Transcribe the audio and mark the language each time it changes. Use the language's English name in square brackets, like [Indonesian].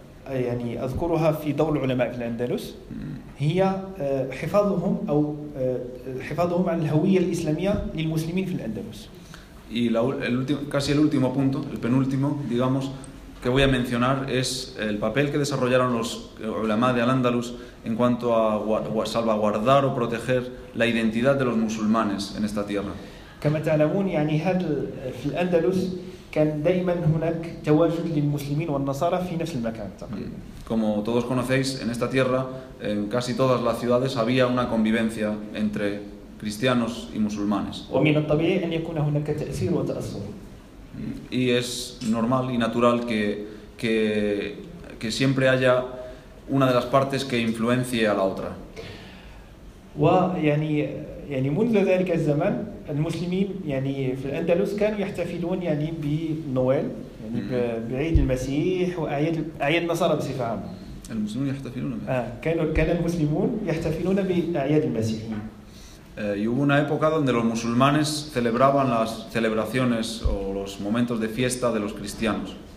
[Arabic] يعني أذكرها في دور العلماء في الأندلس هي حفاظهم أو حفاظهم عن الهوية الإسلامية للمسلمين في الأندلس. [Spanish] Y el último, casi el último punto, el penúltimo, digamos, que voy a mencionar es el papel que desarrollaron los ulama de Al-Andalus en cuanto a salvaguardar o proteger la identidad de los musulmanes en esta tierra. [Arabic] كما تعلمون يعني هذا في الأندلس كان دائما هناك تواجد للمسلمين والنصارى في نفس المكان [Spanish] Como todos conocéis, en esta tierra, en casi todas las ciudades había una convivencia entre cristianos y musulmanes. [Arabic] ومن الطبيعي أن يكون هناك تأثير وتأثر. [Spanish] Y es normal y natural que siempre haya una de las partes que influencie a la otra. [Arabic] ويعني منذ ذلك الزمن المسلمين يعني في الأندلس كانوا يحتفلون يعني بنويل يعني بعيد المسيح وأعياد النصارى بصفة عامة. المسلمون يحتفلون. كان المسلمون يحتفلون بأعياد المسيحيين. [Spanish] Y hubo una época donde los musulmanes celebraban las celebraciones o los momentos de fiesta de los cristianos.